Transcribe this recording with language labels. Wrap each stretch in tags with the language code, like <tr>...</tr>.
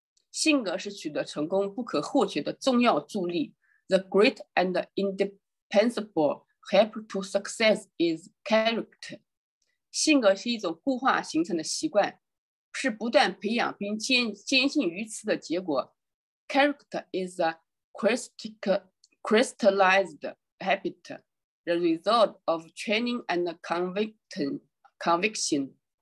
<zh>性格是取得成功不可或缺的重要助力。</zh> <en>The great and indispensable help to success is character.</en> <zh>性格是一种固化形成的习惯，是不断培养并坚信于此的结果。</zh> <en>Character is a crystallized habit. The result of training and conviction.</en>